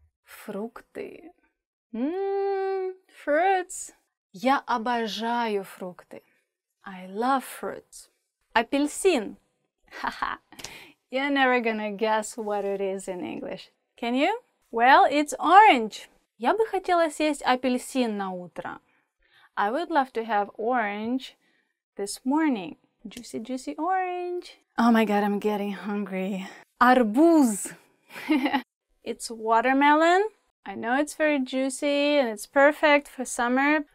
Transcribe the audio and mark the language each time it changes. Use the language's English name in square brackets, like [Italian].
[Russian] Фрукты. [English] Fruits. [Russian] Я обожаю фрукты. [English] I love fruits. [Russian] Апельсин. [English] You're never gonna guess what it is in English. Can you? Well, it's orange. [Russian] Я бы хотела съесть апельсин на утро. [English] I would love to have orange this morning. Juicy, juicy orange. Oh my god, I'm getting hungry. [Russian] Арбуз. [English] It's watermelon. I know it's very juicy and it's perfect for summer.